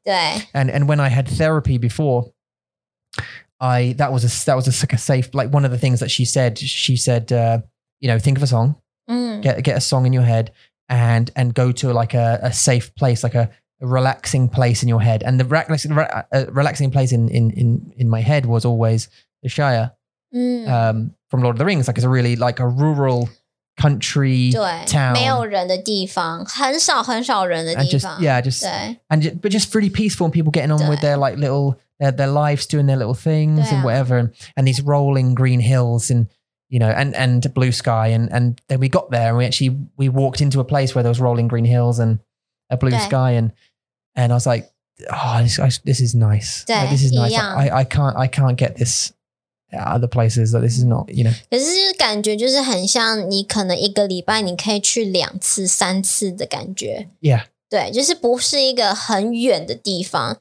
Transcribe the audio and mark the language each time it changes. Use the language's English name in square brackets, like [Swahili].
[English] And when I had therapy before, that was a safe, like one of the things that she said, you know, think of a song, get a song in your head and go to like a safe place, like a relaxing place in your head. And the relaxing place in my head was always the Shire, from Lord of the Rings. Like it's a really like a rural country, [Chinese] 对, [English] town. [Chinese] 没有人的地方,很少很少人的地方. [English] But just pretty peaceful and people getting on with their like little, their lives, doing their little things and whatever. And these rolling green hills and, you know, and blue sky. And then we got there and we walked into a place where there was rolling green hills and a blue sky. And I was like, this is nice. Like, this is nice. I can't get this. Yeah, other places that this is not, you know. [Chinese] 可是感觉就是很像你可能一个礼拜你可以去两次三次的感觉. [English] Yeah. [Chinese] 对，就是不是一个很远的地方.